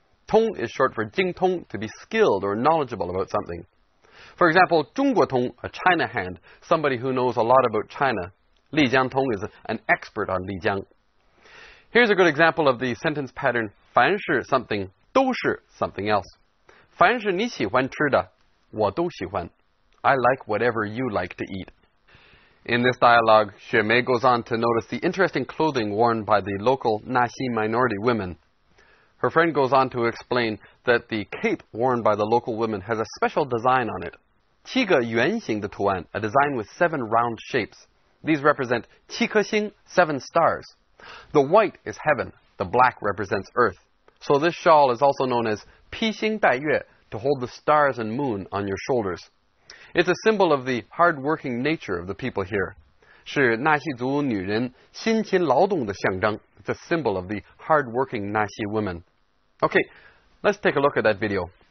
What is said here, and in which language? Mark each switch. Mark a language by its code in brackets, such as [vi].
[en] Tong is short for Jing Tong, to be skilled or knowledgeable about something. For example, 中国通, a China hand, somebody who knows a lot about China. Lijiang Tong is an expert on Lijiang. Here's a good example of the sentence pattern 凡是 something, 都是 something else. [zh] 凡是你喜欢吃的, 我都喜欢. [en] I like whatever you like to eat. In this dialogue, Xue Mei goes on to notice the interesting clothing worn by the local Naxi minority women. Her friend goes on to explain that the cape worn by the local women has a special design on it. [zh] 七个圆形的图案, [en] a design with 7 round shapes. These represent [zh] 七颗星, [en] 7 stars. The white is heaven, the black represents earth. So this shawl is also known as 披星戴月, to hold the stars and moon on your shoulders. It's a symbol of the hard-working nature of the people here. [zh] 是纳西族女人辛勤劳动的象征. [en] It's a symbol of the hard-working Naxi women. Okay, let's take a look at that video.